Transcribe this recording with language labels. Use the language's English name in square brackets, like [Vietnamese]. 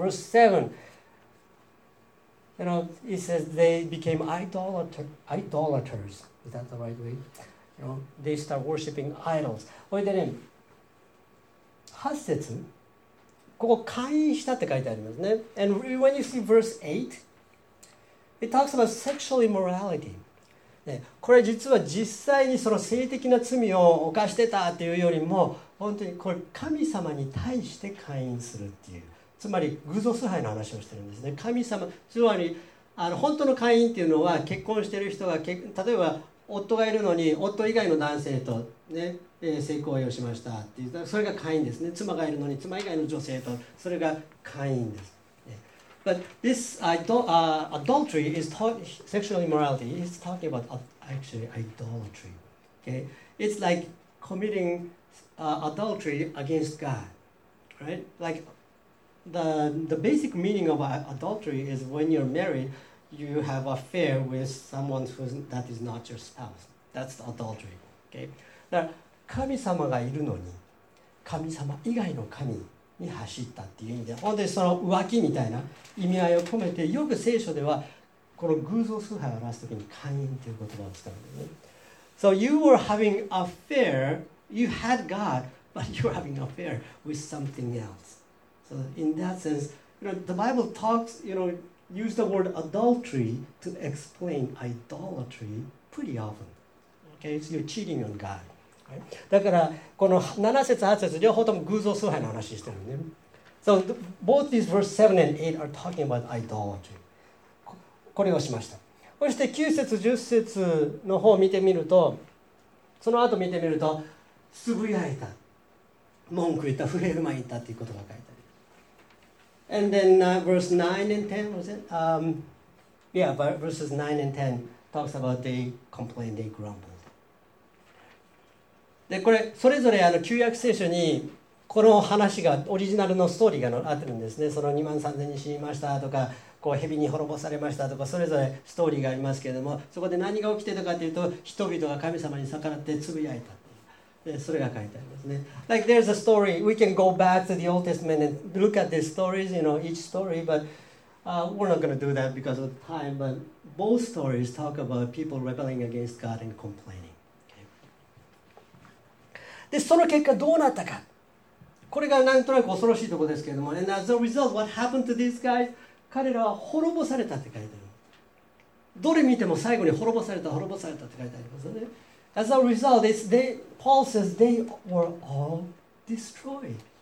[English] Verse 7. You know, it says they became idolaters. Is that the right way? You know, they start worshiping idols. [Japanese] おいでね、8節。ここ、会員したって書いてありますね。 [English] And when you see verse 8,It talks about sexual immorality. [Japanese] ね、これ実は実際にその性的な罪を犯してたっていうよりも、本当にこれ神様に対して会員するっていう、つまり偶像崇拝の話をしてるんですね。神様、つまり本当の会員っていうのは、結婚してる人が、例えば夫がいるのに夫以外の男性と、ね、性行為をしましたっていう、それが会員ですね。妻がいるのに妻以外の女性と、それが会員です。 [English] But this adultery is sexual immorality. It's talking about actually idolatry. Okay, it's like committing adultery against God, right? Like the basic meaning of adultery is when you're married, you have an affair with someone that is not your spouse. That's adultery. Okay, [Japanese] だから神様がいるのに神様以外の神に走ったっていう意味で、本当にその浮気みたいな意味合いを込めて、よく聖書ではこの偶像崇拝を表すときに姦淫という言葉を使うんですね。 [English] So you were having affair, you had God, but you were having affair with something else. So in that sense, you know, the Bible talks, you know, use the word adultery to explain idolatry pretty often. Okay, so you're cheating on God. [Japanese] だからこの7節8節両方とも偶像崇拝の話してるね。 [English] So both these verse 7 and 8 are talking about idolatry. [Japanese] これをしました。そして9節10節の方を見てみると、その後見てみるとつぶやいた、文句言った、不平不満言ったっていうことが書いてある。 [English] And then verse 9 and 10 was it? Yeah, but verses 9 and 10 talks about they complained, they grumbled. [Japanese] で、これ、それぞれあの旧約聖書にこの話が、オリジナルのストーリーがあってるんですね。その2万3000人死にましたとか、こう蛇に滅ぼされましたとか、それぞれストーリーがありますけれども、そこで何が起きてたかというと、人々が神様に逆らってつぶやいた。それが書いてありますね。 [English] Like there's a story, we can go back to the Old Testament and look at the stories, you know, each story, but we're not going to do that because of time, but both stories talk about people rebelling against God and complaining.、Okay. [Japanese] で、その結果どうなったか。これがなんとなく恐ろしいところですけれども、 [English] and as a result, what happened to these guys? [Japanese] 彼らは滅ぼされたって書いてある。どれ見ても最後に滅ぼされた、滅ぼされたって書いてありますよね。 [English] As a result, Paul says they were all destroyed.